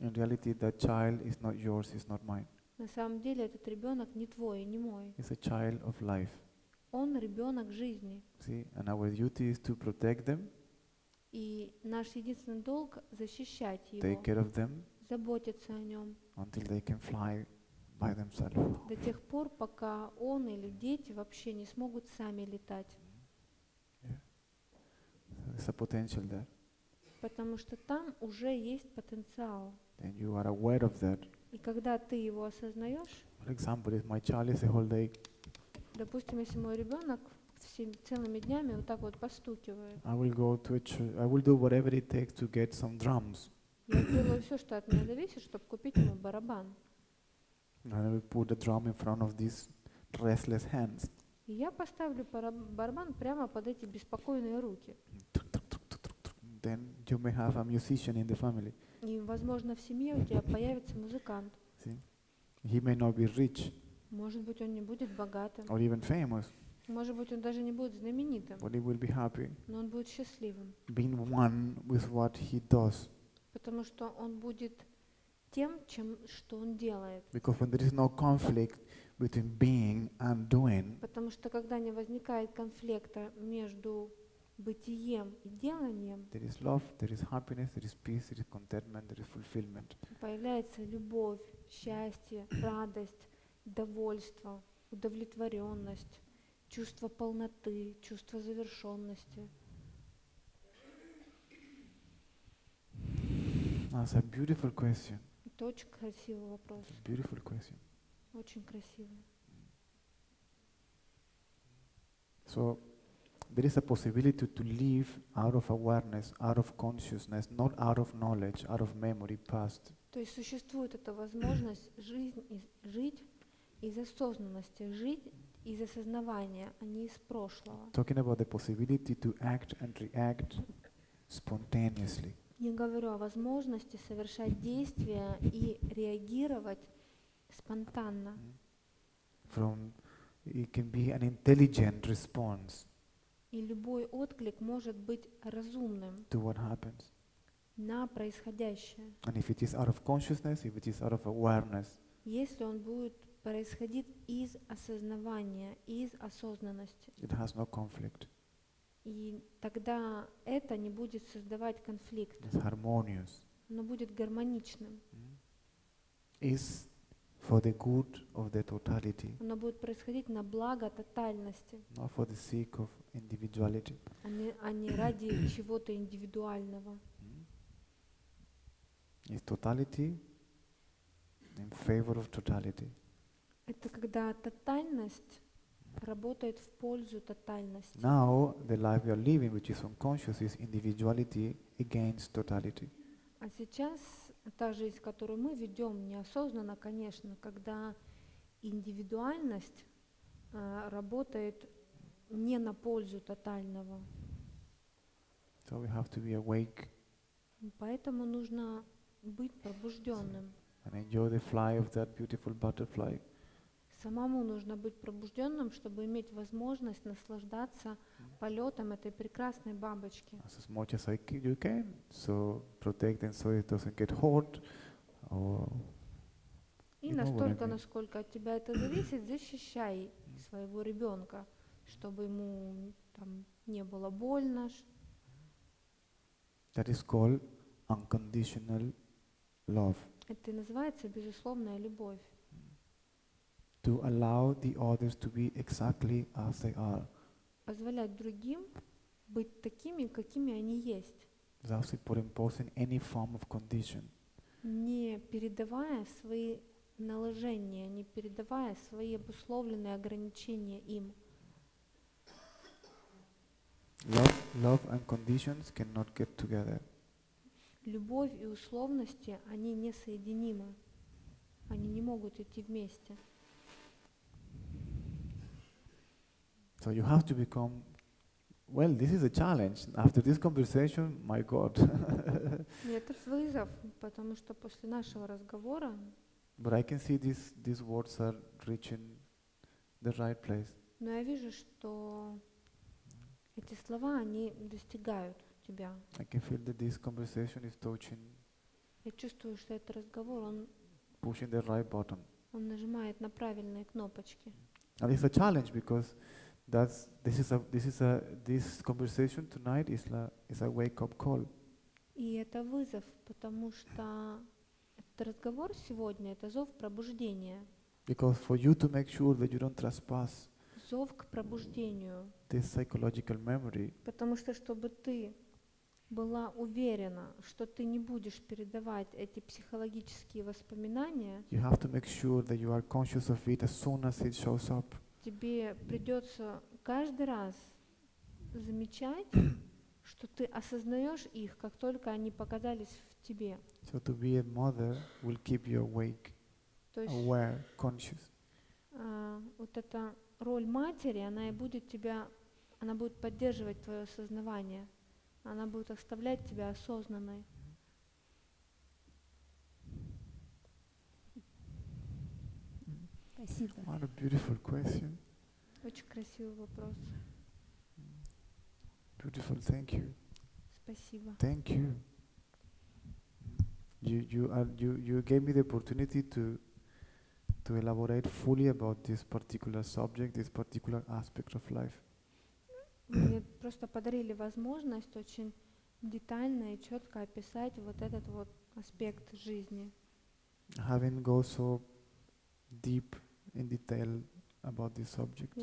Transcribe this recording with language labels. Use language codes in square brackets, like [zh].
[en] In reality, that child is not yours, is not mine. [ru] На самом деле, этот ребенок не твой, не мой. [en] It's a child of life. [ru] Он ребенок жизни. [en] See, and our duty is to protect them. [ru] И наш единственный долг — защищать его. [en] Take care of them. [ru] Заботиться о нем. [en] Until they can fly by themselves. [ru] До тех пор, пока он или дети вообще не смогут сами летать. [en] Yeah. There's a potential there. [ru] Потому что там уже есть потенциал. [en] Then you are aware of that. [ru] И когда ты его осознаешь, [en] for example, if my child is the whole day, [ru] допустим, если мой ребенок целыми днями вот так вот постукивает, [en] I will go to a I will do whatever it takes to get some drums. [ru] Я делаю все, что от меня зависит, чтобы купить ему барабан. [en] And I will put the drum in front of these restless hands. [ru] И я поставлю барабан прямо под эти беспокойные руки. [en] Then you may have a musician in the family. [ru] И, возможно, в семье у тебя появится музыкант. [en] See? He may not be rich. [ru] Может быть, он не будет богатым. [en] Or even famous. [ru] Может быть, он даже не будет знаменитым. [en] But he will be happy. [ru] Но он будет счастливым. [en] Being one with what he does. [ru] Потому что он будет тем, чем что он делает. [en] Because when there is no conflict between being and doing. [ru] Потому что когда не возникает конфликта между бытием и деланием. [en] There is love, there is happiness, there is peace, there is contentment, there is fulfillment. [ru] Появляется любовь, счастье, радость, довольство, удовлетворенность, чувство полноты, чувство завершенности. [en] That's a beautiful question. [ru] Это очень красивый вопрос. [en] It's a beautiful question. [ru] Очень красивый. [en] So, there is a possibility to live out of awareness, out of consciousness, not out of knowledge, out of memory, past. [ru] То есть существует эта возможность жить из осознанности, жить из осознавания, а не из прошлого. [en] Talking about the possibility to act and react spontaneously. [ru] Я говорю о возможности совершать действия и реагировать спонтанно. [en] From, it can be an intelligent response. [ru] И любой отклик может быть разумным [en] to what happens. [ru] На происходящее. [en] And if it is out of consciousness, if it is out of awareness. [ru] Если он будет происходить из осознавания, из осознанности. [en] It has no conflict. [ru] И тогда это не будет создавать конфликт. [en] It's harmonious. [ru] Но будет гармоничным. [en] Is for the good of the totality. [ru] Оно будет происходить на благо тотальности. [en] Not for the sake of individuality. [ru] А не ради чего-то индивидуального. [en] Is totality in favor of totality. [ru] Это когда тотальность работает в пользу тотальности. [en] Now the life you are living, which is unconscious, is individuality against totality. [ru] А сейчас та жизнь, которую мы ведем неосознанно, конечно, когда индивидуальность работает не на пользу тотального. [en] So we have to be awake. [ru] Поэтому нужно быть пробужденным. [en] And enjoy the fly of that beautiful butterfly. [ru] Самому нужно быть пробужденным, чтобы иметь возможность наслаждаться полетом этой прекрасной бабочки. [en] As much as you can, so protect them so it doesn't get hurt. [ru] И настолько, насколько от тебя это зависит, защищай своего ребенка, чтобы ему там не было больно. [en] That is called unconditional love. [ru] Это называется безусловная любовь. [en] To allow the others to be exactly as they are. [ru] Позволять другим быть такими, какими они есть. [en] Thus without imposing any form of condition. [ru] Не передавая свои наложения, не передавая свои обусловленные ограничения им. [en] Love and conditions cannot get together. [ru] Любовь и условности, они несоединимы. Они не могут идти вместе. [en] So you have to become, well, this is a challenge. After this conversation, my God. [ru] Нет, это вызов, потому что после нашего разговора, [en] But I can see these words are reaching the right place. [ru] Но я вижу, что эти слова они достигают тебя. [en] I can feel that this conversation is touching. [ru] Я чувствую, что этот разговор он [en] pushing the right button. [ru] Он нажимает на правильные кнопочки. [en] And it's a challenge because this conversation tonight is a wake up call. [ru] И это вызов, потому что этот разговор сегодня это зов пробуждения. [en] Because for you to make sure that you don't trespass. [ru] Зов к пробуждению. [en] This psychological memory. [ru] Потому что чтобы ты была уверена, что ты не будешь передавать эти психологические воспоминания. [en] You have to make sure that you are conscious of it as soon as it shows up. [ru] Тебе придется каждый раз замечать, что ты осознаешь их, как только они показались в тебе. [en] So to be a mother will keep you awake, aware, conscious. [ru] Вот эта роль матери, она и будет тебя, она будет поддерживать твое осознавание. Она будет оставлять тебя осознанной. Спасибо. [en] What a beautiful question. [ru] Очень красивый вопрос. [en] Beautiful, thank you. [ru] Спасибо. [en] Thank you. You gave me the opportunity to elaborate fully about this particular subject, this particular aspect of life. [ru] Мне просто подарили возможность очень детально и четко описать вот этот вот аспект жизни. [en] Having gone so deep in detail about this subject.